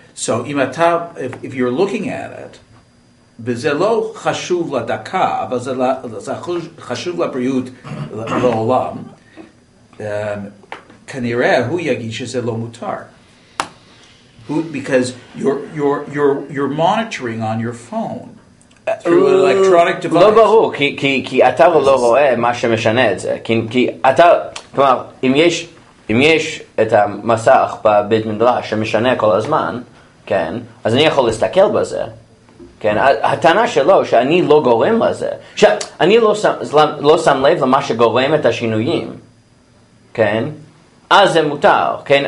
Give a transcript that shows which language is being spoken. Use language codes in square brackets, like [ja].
[he] So אם אתה, [en] if you're looking at it, [he] וזה לא חשוב לדקה, אבל זה חשוב לבריאות לעולם, כנראה הוא יגיד שזה לא מותר. [en] Because you're monitoring on your phone. Through an electronic device. [he] לא ברור, כי אתה לא רואה מה שמשנה את זה. כי אתה, כלומר, אם יש את המסך בבית מדרש שמשנה כל הזמן, כן, אז אני יכול להסתכל בזה. כן, הטענה שלו, שאני לא גורם לזה, שאני לא שם לב למה שגורם את השינויים, כן, אז זה מותר, כן?